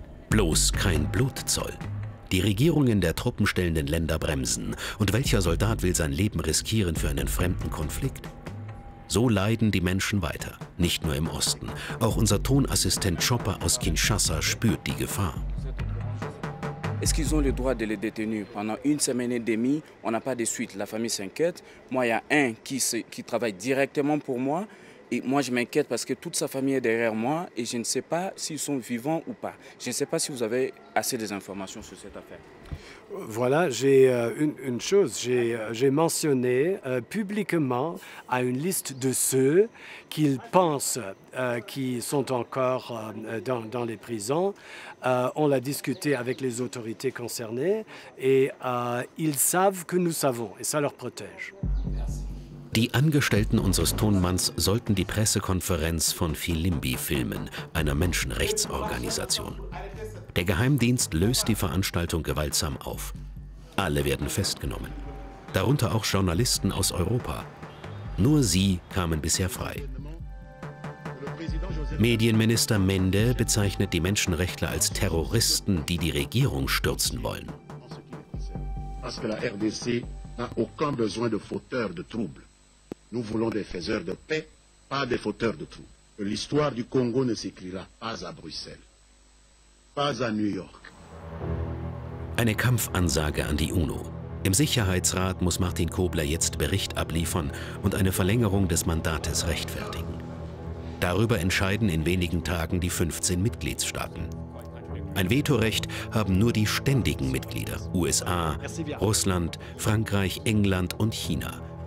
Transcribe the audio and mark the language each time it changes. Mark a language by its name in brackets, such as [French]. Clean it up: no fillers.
[German] Bloß kein Blutzoll. Die Regierungen der truppenstellenden Länder bremsen. Und welcher Soldat will sein Leben riskieren für einen fremden Konflikt? So leiden die Menschen weiter, nicht nur im Osten. Auch unser Tonassistent Chopper aus Kinshasa spürt die Gefahr. [French] Est-ce qu'ils ont le droit de les détenir pendant une semaine et demie? On n'a pas de suite. La famille s'inquiète. Moi, il y a un qui travaille directement pour moi. Et moi, je m'inquiète parce que toute sa famille est derrière moi et je ne sais pas s'ils sont vivants ou pas. Je ne sais pas si vous avez assez d'informations sur cette affaire. Voilà, j'ai une chose. J'ai mentionné publiquement à une liste de ceux qu'ils pensent qui sont encore dans les prisons. On l'a discuté avec les autorités concernées et ils savent que nous savons et ça leur protège. [German] Die Angestellten unseres Tonmanns sollten die Pressekonferenz von Filimbi filmen, einer Menschenrechtsorganisation. Der Geheimdienst löst die Veranstaltung gewaltsam auf. Alle werden festgenommen, darunter auch Journalisten aus Europa. Nur sie kamen bisher frei. Medienminister Mende bezeichnet die Menschenrechtler als Terroristen, die die Regierung stürzen wollen. [French] Parce que la RDC n'a aucun besoin de fauteurs de troubles. Nous voulons des faiseurs de paix, pas des fauteurs de troubles. L'histoire du Congo ne s'écrira pas à Bruxelles, pas à New York. [German] Eine Kampfansage an die UNO. Im Sicherheitsrat muss Martin Kobler jetzt Bericht abliefern und eine Verlängerung des Mandates rechtfertigen. Darüber entscheiden in wenigen Tagen die 15 Mitgliedstaaten. Ein Vetorecht haben nur die ständigen Mitglieder, USA, Russland, Frankreich, England und China.